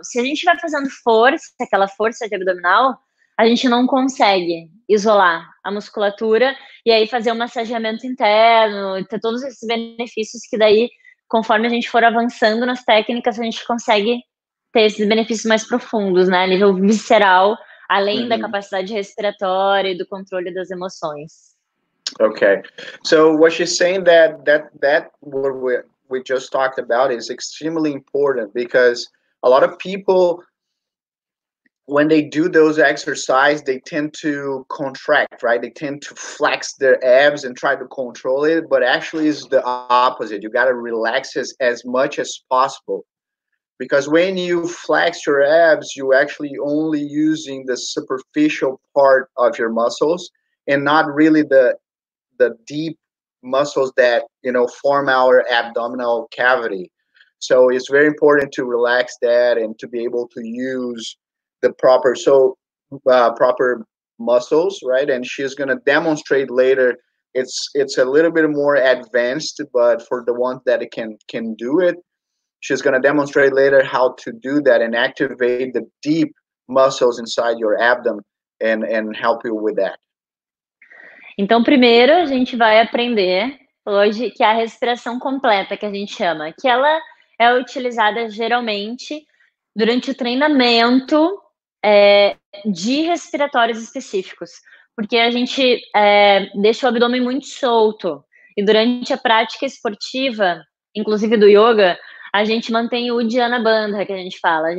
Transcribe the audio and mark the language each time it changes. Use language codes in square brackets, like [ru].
[pt] Se a gente vai fazendo força, aquela força de abdominal, a gente não consegue isolar a musculatura e aí fazer um massageamento interno, ter todos esses benefícios que daí, conforme a gente for avançando nas técnicas, a gente consegue ter esses benefícios mais profundos, né? A nível visceral, além da capacidade respiratória e do controle das emoções. [en] Okay. So what she's saying that what we just talked about is extremely important because a lot of people, when they do those exercises, they tend to contract, right? They tend to flex their abs and try to control it, but actually it's the opposite. You got to relax as much as possible. Because when you flex your abs, you're actually only using the superficial part of your muscles and not really the deep muscles that, you know, form our abdominal cavity. So it's very important to relax that and to be able to use the proper muscles, right? And she's going to demonstrate later. It's a little bit more advanced, but for the ones that can do it, she's going to demonstrate later how to do that and activate the deep muscles inside your abdomen and help you with that. [pt] Então, primeiro, a gente vai aprender hoje que a respiração completa, que a gente chama, que ela é utilizada geralmente durante o treinamento de respiratórios específicos, porque a gente deixa o abdômen muito solto e durante a prática esportiva, inclusive do yoga, a gente mantém o Dhyana Bandha, que a gente fala.